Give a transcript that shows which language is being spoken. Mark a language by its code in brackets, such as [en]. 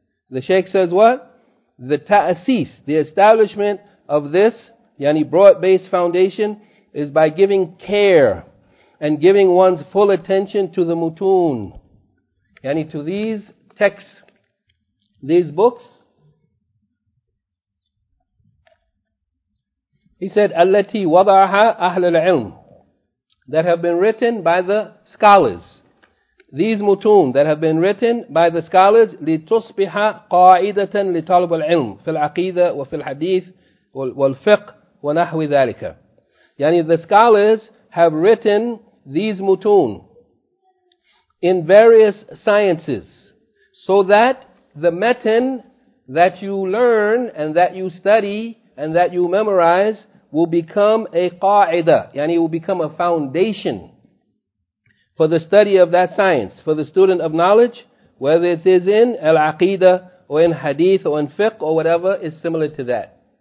[en] The Shaykh says what? The ta'asis, the establishment of this, yani broad-based foundation, is by giving care and giving one's full attention to the mutun, yani to these texts, these books. He said, [ar] "Allati wada'aha ahlul ilm," [en] that have been written by the scholars. These mutun that have been written by the scholars, [ar] لِتُصْبِحَ قَاعِدَةً لِطَلْبُ الْعِلْمِ فِي الْعَقِيدَةِ وَفِي الْحَدِيثِ وَالْفِقْهِ وَنَحْوِ ذَلِكَ. [en] Yani the scholars have written these mutun in various sciences so that the metin that you learn and that you study and that you memorize will become a qa'ida, yani it will become a foundation for the study of that science, for the student of knowledge, whether it is in al-aqidah or in hadith or in fiqh or whatever is similar to that.